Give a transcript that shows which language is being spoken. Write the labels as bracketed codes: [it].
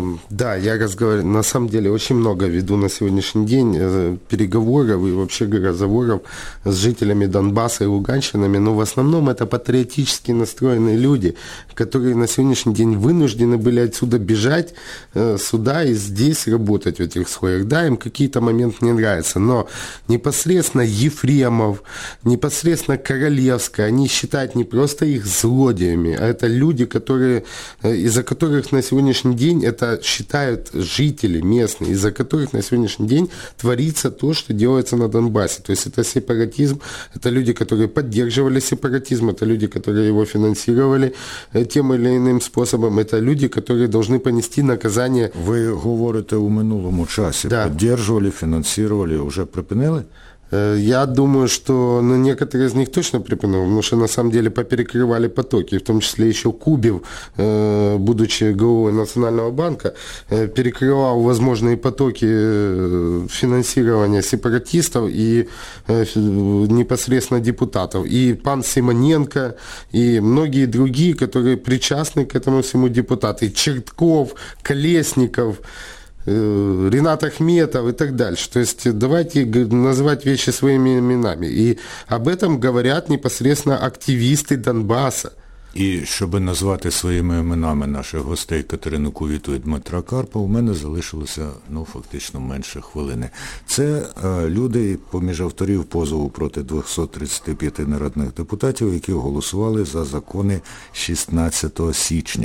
[uk] Да, я розговорю, на самом деле, дуже багато веду на сьогоднішній день переговорів і взагалі розговорів з жителями Донбасу і Луганщинами, але в основному це патріотично настроєні люди, які на сьогоднішній день вынуждені були відсюди біжати, сюди [ru] и здесь работать в этих слоях. Да, им какие-то моменты не нравятся, но непосредственно Ефремов, непосредственно Королевская, они считают не просто их злодеями, а это люди, которые из-за которых на сегодняшний день это считают жители местные, из-за которых на сегодняшний день творится то, что делается на Донбассе. То есть это сепаратизм, это люди, которые поддерживали сепаратизм, это люди, которые его финансировали тем или иным способом, это люди, которые должны понести наказание. Вы говорите [uk] у минулому часі, да. Поддерживали, фінансували, вже припинили? [ru] Я думаю, что некоторые из них точно припинули, потому что на самом деле поперекрывали потоки, в том числе еще Кубев, будучи главой Национального банка, перекрывал возможные потоки финансирования сепаратистов и непосредственно депутатов. И пан Симоненко, и многие другие, которые причастны к этому всему депутаты, Чертков, Колесников, Ринат Ахметов и так дальше. То есть давайте называть вещи своими именами. И об этом говорят непосредственно активисты Донбасса. [uk] І щоб назвати своїми іменами наших гостей Катерину Кувіту і Дмитра Карпа, у мене залишилося, фактично менше хвилини. Це люди поміж авторів позову проти 235 народних депутатів, які голосували за закони 16 січня.